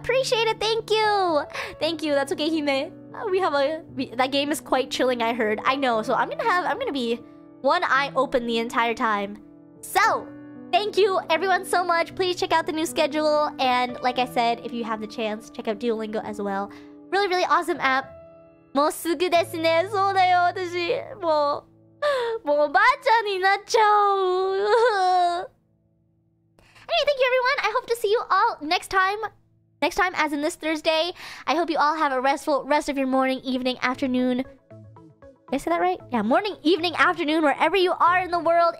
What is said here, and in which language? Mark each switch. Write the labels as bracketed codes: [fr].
[en] Appreciate it. Thank you. Thank you. That's okay, Hime. That game is quite chilling, I heard. I know. So I'm gonna be one eye open the entire time. So thank you everyone so much. Please check out the new schedule. And like I said, if you have the chance, check out Duolingo as well. Really, really awesome app. [ja] もうすぐですね。そうだよ、私。もうおばあちゃんになっちゃう。 [en] Anyway, thank you everyone. I hope to see you all next time. Next time, as in this Thursday. I hope you all have a restful rest of your morning, evening, afternoon. Did I say that right? Yeah, morning, evening, afternoon, wherever you are in the world.